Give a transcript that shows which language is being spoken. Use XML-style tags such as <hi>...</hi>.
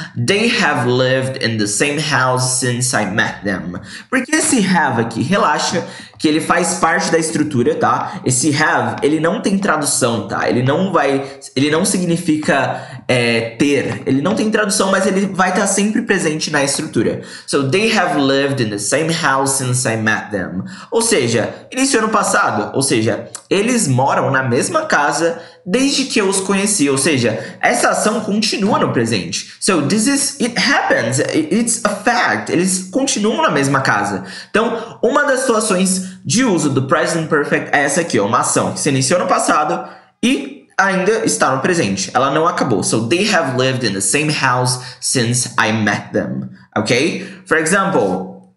<en>They have lived in the same house since I met them.</en> <pt>Porque esse have aqui, relaxa, que ele faz parte da estrutura, tá? Esse have, ele não tem tradução, tá? Ele não significa ter. Ele não tem tradução, mas ele vai estar sempre presente na estrutura.</pt> <en>So, they have lived in the same house since I met them.</en> <pt>Ou seja, iniciou no passado. Ou seja, eles moram na mesma casa desde que eu os conheci. Ou seja, essa ação continua no presente.</pt> <en>So, it happens. It's a fact.</en> <pt>Eles continuam na mesma casa. Então, uma das situações de uso do present perfect é essa aqui, uma ação que se iniciou no passado e ainda está no presente. Ela não acabou.</pt> <en>So, they have lived in the same house since I met them. Ok? For example,</en>